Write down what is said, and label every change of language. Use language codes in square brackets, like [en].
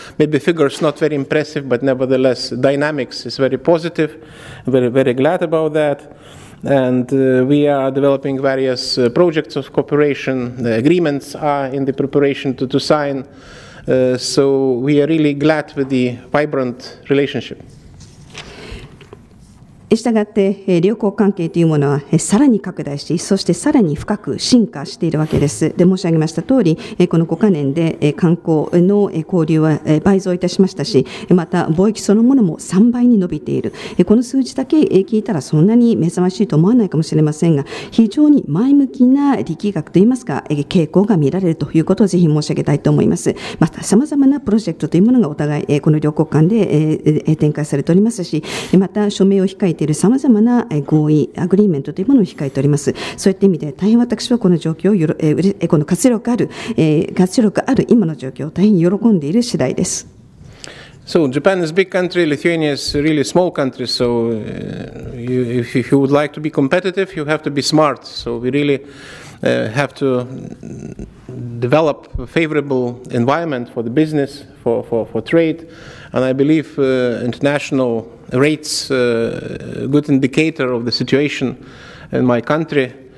[en] Maybe figures not very impressive, but nevertheless dynamics is very positive. Very, very glad about that. And we are developing various projects of cooperation. The agreements are in the preparation to sign. So we are really glad with the vibrant relationship. [ja] したがって両国関係というものはさらに拡大し、そしてさらに深く進化しているわけです。で、申し上げました通り、この5カ年で観光の交流は倍増いたしましたし、また貿易そのものも3倍に伸びている。この数字だけ聞いたらそんなに目覚ましいと思わないかもしれませんが、非常に前向きな力学といいますか傾向が見られるということをぜひ申し上げたいと思います。またさまざまなプロジェクトというものがお互いこの両国間で展開されておりますし、また署名を控えているさまざまな合意アグリーメントというものを控えております。そういった意味で大変私はこの状況をこの活力ある今の状況を大変喜んでいる次第です。 [en] So Japan is a big country, Lithuania is a really small country, so if you would like to be competitive, you have to be smart. So we really have to develop a favorable environment for the business, for trade, and I believe internationalrates a good indicator of the situation in my country.